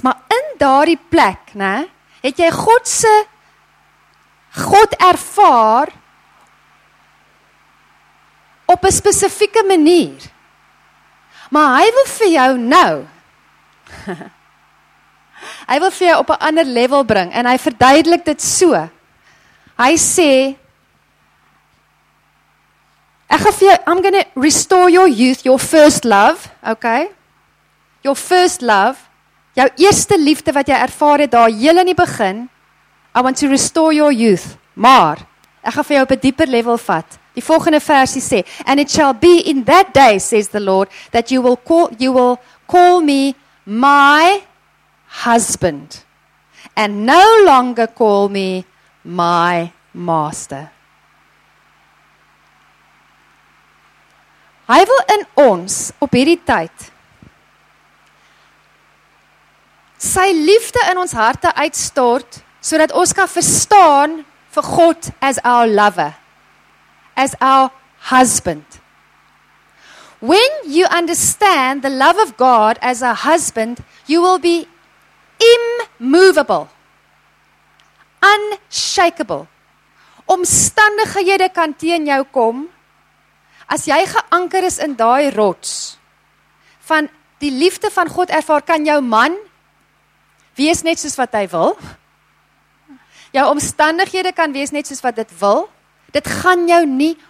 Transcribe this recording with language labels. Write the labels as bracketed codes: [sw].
[af] Maar in daardie plek, né, het jy God se God ervaar op 'n spesifieke manier. Maar hy wil vir jou nou. Hy wil vir jou op 'n ander level bring en hy verduidelik dit so. Hy sê ek gaan vir jou, [en] I'm going to restore your youth, your first love, okay? Your first love, [af] jou eerste liefde wat jy ervaar het daar heel in die begin. [en] I want to restore your youth. [af] Maar ek gaan vir jou op 'n dieper level vat. Die volgende versie sê, [en] and it shall be in that day, says the Lord, that you will call me my husband and no longer call me my master. [af] Hy wil in ons op hierdie tyd sy liefde in ons harte uitstort sodat ons kan verstaan vir God [en] as our lover, as our husband. When you understand the love of God as a husband, you will be immovable, unshakable. [af] Omstandighede kan teen jou kom, as jy geanker is in daai rots van die liefde van God ervaar, kan jou man wees net soos wat hy wil. Jou omstandighede kan wees net soos wat dit wil. Dit gaan jou nie